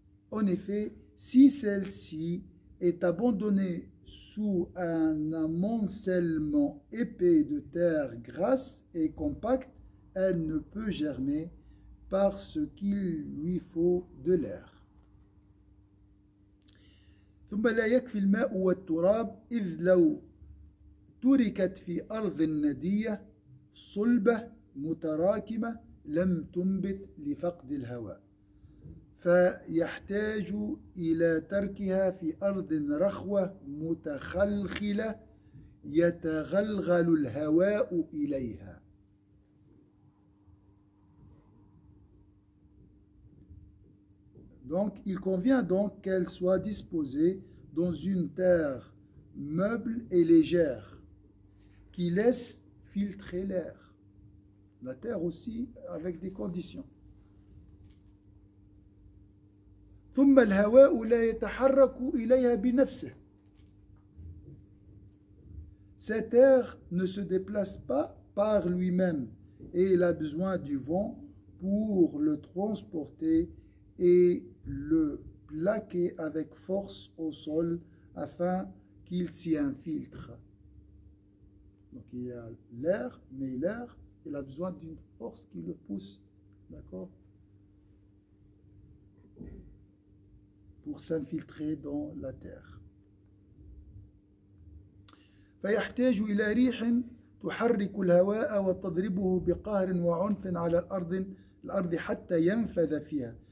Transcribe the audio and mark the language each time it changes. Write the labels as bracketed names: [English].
[French] En effet, si celle-ci est abandonnée sous un amoncellement épais de terre grasse et compacte, elle ne peut germer parce qu'il lui faut de l'air. [Arabic] ثم لا يكفي الماء والتراب إذ لو تركت في أرض ندية صلبة متراكمة لم تنبت لفقد الهواء فيحتاج إلى تركها في أرض رخوة متخلخلة يتغلغل الهواء إليها. [French] Donc il convient donc qu'elle soit disposée dans une terre meuble et légère qui laisse filtrer l'air. La terre aussi avec des conditions. [Arabic] ثم الهواء لا يتحرك إليها بنفسه. [French] Cet air ne se déplace pas par lui-même et il a besoin du vent pour le transporter et le plaquer avec force au sol afin qu'il s'y infiltre. Donc il y a l'air, mais l'air, il a besoin d'une force qui le pousse, d'accord, pour s'infiltrer dans la terre. [Arabic] فيحتاج إلى ريح تحرك الهواء وتضربه بقهر وعنف على الأرض حتى ينفذ فيها.